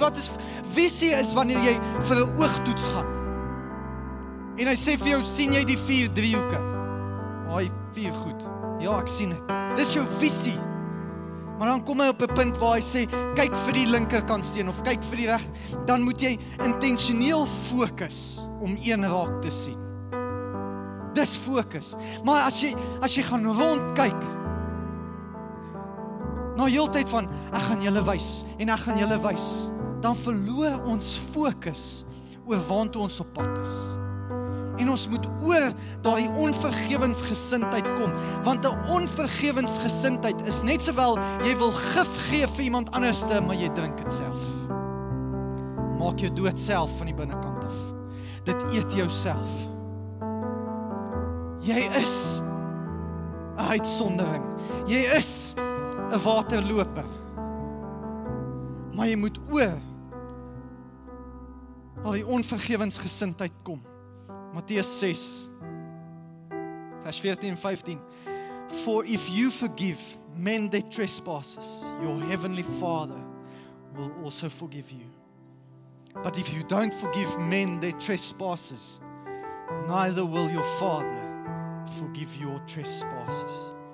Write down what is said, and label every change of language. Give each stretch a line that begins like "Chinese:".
Afrikaans: Wat is visie is wanneer jy vir 'n oogtoets gaan. En hy sê vir jou, sien jy die vier driehoeke? Haai, vier goed. Ja, ek sien het. Dis jou visie. Maar dan kom hy op 'n punt waar hy sê, kyk vir die linkerkant steen of kyk vir die reg. Dan moet jy intentioneel fokus om een raak te sien. Dis fokus. Maar as jy gaan rondkyk, na heel tyd van, ek gaan julle wys, en ek gaan julle wys, dan verloor ons fokus oor waantoe ons op pad is. En ons moet oor daai onvergewensgesindheid kom, want 'n onvergewensgesindheid is net sowel, jy wil gif gee vir iemand anderste, maar jy drink het self. Maak jou dood self van die binnenkant af. Dit eet jou self. Jy is 'n uitsondering. Jy is 'n waterloper. Maar jy moet oor al die onvergewensgesindheid kom. Matteus 6 vers 14 en 15.
English: For if you forgive men their trespasses, your heavenly Father will also forgive you. But if you don't forgive men their trespasses, neither will your Father forgive your trespasses.